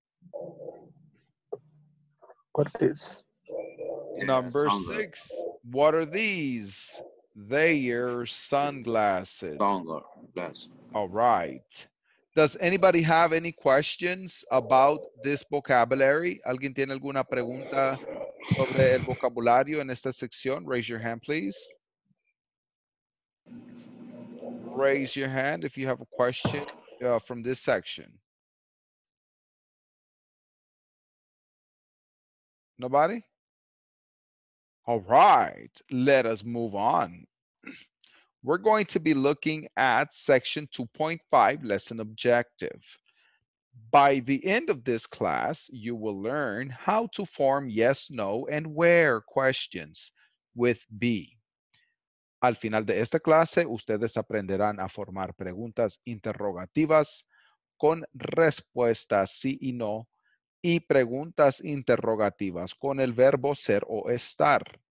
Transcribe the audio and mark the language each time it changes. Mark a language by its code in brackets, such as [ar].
[en] What is? Number six. What are these? They're sunglasses. All right. Does anybody have any questions about this vocabulary? [es] ¿Alguien tiene alguna pregunta sobre el vocabulario en esta sección? [en] Raise your hand, please. Raise your hand if you have a question from this section. Nobody? All right, let us move on. We're going to be looking at section 2.5, lesson objective. By the end of this class, you will learn how to form yes, no, and where questions with be. [es] Al final de esta clase, ustedes aprenderán a formar preguntas interrogativas con respuestas sí y no, y preguntas interrogativas con el verbo ser o estar.